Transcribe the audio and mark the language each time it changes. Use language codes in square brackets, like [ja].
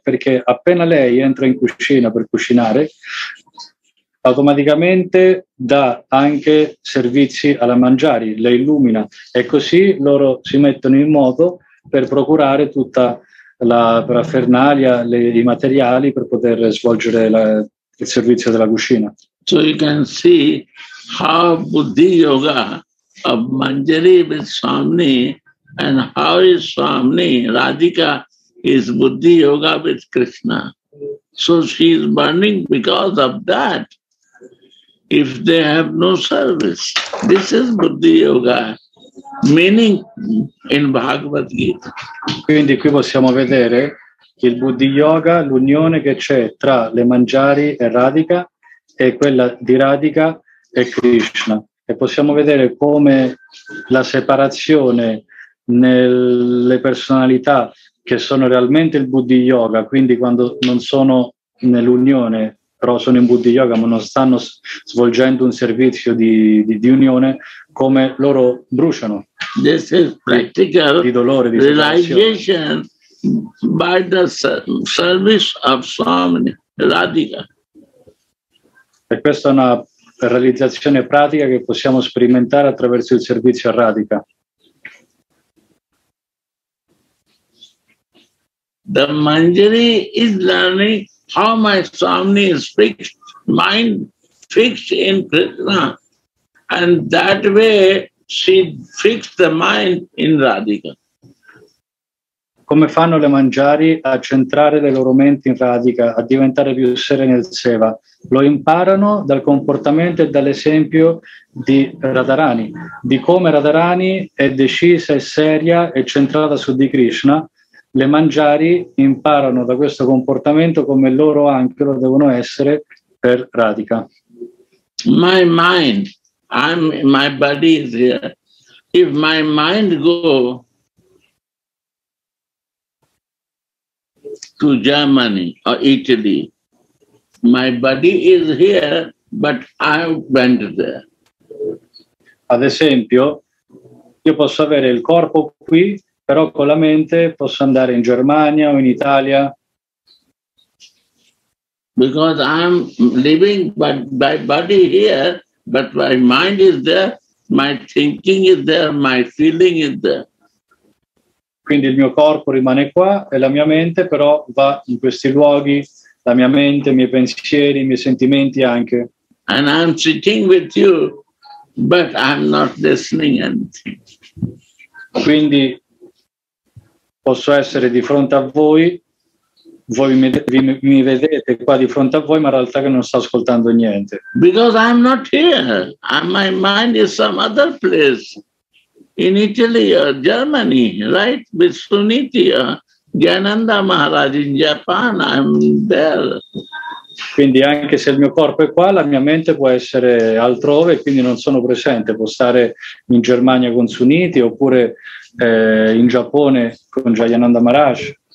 [it] Perché appena lei entra in cucina per cucinare, automaticamente dà anche servizi alla mangiari, le illumina, e così loro si mettono in moto per procurare tutta la parafernalia, i materiali per poter svolgere il servizio della cucina. [en] So you can see how Buddha Yoga of Manjari Vaishnavi and how is Swami Radhika is Buddha Yoga with Krishna. So she is burning because of that. If they have no service, this is Buddha Yoga, meaning in Bhagavad Gita. [it] Quindi qui possiamo vedere il Buddha Yoga, l'unione che c'è tra le Manjari e Radhika, e quella di Radhika e Krishna. E possiamo vedere come la separazione nelle personalità che sono realmente il Buddha Yoga, quindi quando non sono nell'unione, però sono in Buddha Yoga, ma non stanno svolgendo un servizio di unione, come loro bruciano. [en] This is practical [it] di dolore, di [en] realization by the service of Swami Radhika. [it] E questa è una realizzazione pratica che possiamo sperimentare attraverso il servizio a Radhika. [en] The Manjari is learning how my Swami is fixed, mind fixed in Krishna, and that way she fixed the mind in Radhika. [it] Come fanno le Manjari a centrare le loro menti in Radhika, a diventare più serene nel Seva? Lo imparano dal comportamento e dall'esempio di Radharani, di come Radharani è decisa e seria e centrata su di Krishna. Le Manjari imparano da questo comportamento come loro anche lo devono essere per Radhika. [en] My mind, my body is here. If my mind go to Germany or Italy, my body is here, but I went there. [it] Ad esempio, io posso avere il corpo qui, però con la mente posso andare in Germania o in Italia. [en] Because I'm living by body here, but my mind is there, my thinking is there, my feeling is there. [it] Quindi il mio corpo rimane qua e la mia mente però va in questi luoghi, la mia mente, i miei pensieri, i miei sentimenti anche. [en] And I'm sitting with you, but I'm not listening anything. [it] Quindi posso essere di fronte a voi, voi mi vedete qua di fronte a voi, ma in realtà che non sto ascoltando niente. [en] Because I'm not here, and my mind is some other place. In Italy or Germany, right? With Suniti or Gyananda Maharaj in Japan, I'm there. [it] Quindi anche se il mio corpo è qua, la mia mente può essere altrove, quindi non sono presente. Può stare in Germania con Suniti oppure in Giappone con Jayananda Maharaj.